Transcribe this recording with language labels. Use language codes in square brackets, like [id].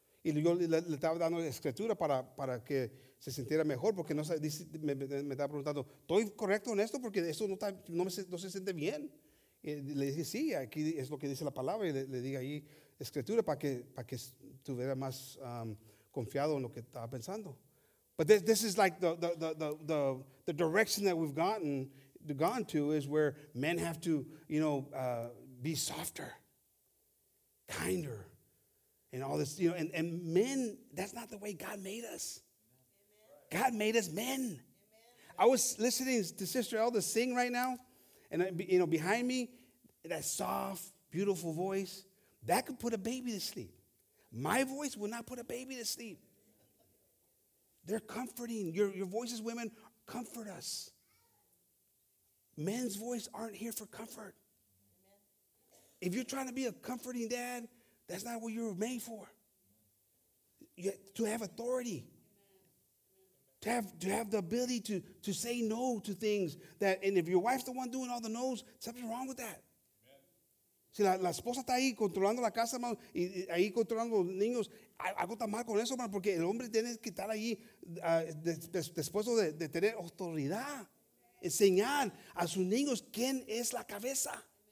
[es] Y yo le estaba dando escritura para que se sintiera mejor, porque no dice, me estaba preguntando, ¿estoy correcto en esto? Porque esto no se siente bien. Y le dije, sí, aquí es lo que dice la palabra. Y le dije ahí escritura para que estuviera más confiado en lo que estaba pensando. [en] But this is like the direction that we've gone to is where men have to, you know, be softer, kinder, and all this, you know, and men, that's not the way God made us. Amen. God made us men. Amen. I was listening to Sister Elda sing right now, and, you know, behind me, that soft, beautiful voice, that could put a baby to sleep. My voice would not put a baby to sleep. They're comforting. Your voices, women, comfort us. Men's voice aren't here for comfort. If you're trying to be a comforting dad, that's not what you're made for. To have authority. To have the ability to say no to things. And if your wife's the one doing all the no's, something's wrong with that. [es] Si la esposa está ahí controlando la casa, hermano, y ahí controlando los niños, algo está mal con eso, hermano, porque el hombre tiene que estar ahí después de tener autoridad, enseñar a sus niños quién es la cabeza.